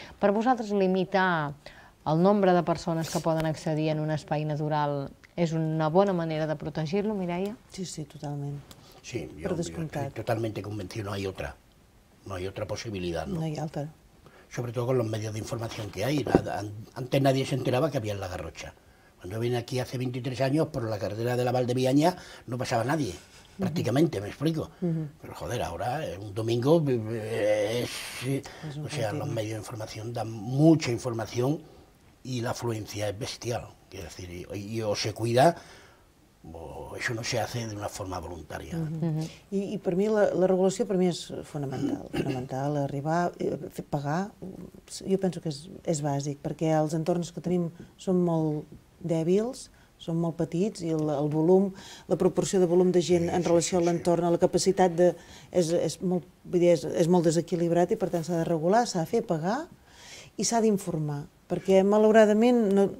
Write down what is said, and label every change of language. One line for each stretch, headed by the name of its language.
Catalan: Per vosaltres, limitar el nombre de persones que poden accedir en un espai natural és una bona manera de protegir-lo, Mireia? Sí, sí, totalment. Sí, jo estic totalment convençut, no hi ha altra. No hi ha altra possibilitat, no? No hi ha altra. Sobretot amb els mitjans d'informació que hi ha.
Spanish: Antes nadie se enteraba que había en La Garrocha. Cuando vine aquí hace 23 años, por la carretera de la Valdeviaña no pasaba nadie. Prácticamente, me explico. Pero joder, ahora un domingo es... O sea, los
Catalan: mitjans d'informació
Spanish: dan mucha información y la afluencia es bestial. Es decir, y o se cuida, o eso no se hace de una forma voluntaria.
Catalan: I per mi la regulació és fonamental, arribar, pagar, jo penso que és bàsic, perquè els entorns que tenim són molt dèbils, són molt petits, i el volum, la proporció de volum de gent en relació a l'entorn, la capacitat és molt desequilibrat, i per tant s'ha de regular, s'ha de fer pagar, i s'ha d'informar, perquè malauradament...